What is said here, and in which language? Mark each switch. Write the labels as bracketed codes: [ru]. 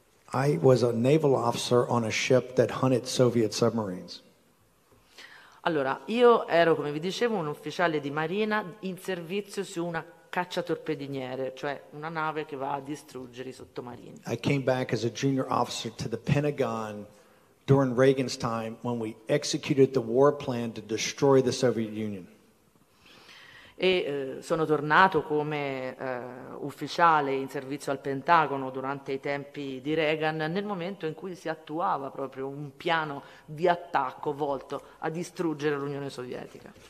[en] I was a naval officer on a ship that hunted Soviet submarines. [it] Allora, io ero, come vi dicevo, un ufficiale di marina in servizio su una cacciatorpediniere, cioè una nave che va a distruggere i sottomarini. [en] I came back as a junior officer to the Pentagon during Reagan's time, when we executed the war plan to destroy the Soviet Union. [it] E sono tornato come ufficiale in servizio al Pentagono durante i tempi di Reagan, nel momento in cui si attuava proprio un piano di attacco volto a distruggere l'Unione Sovietica.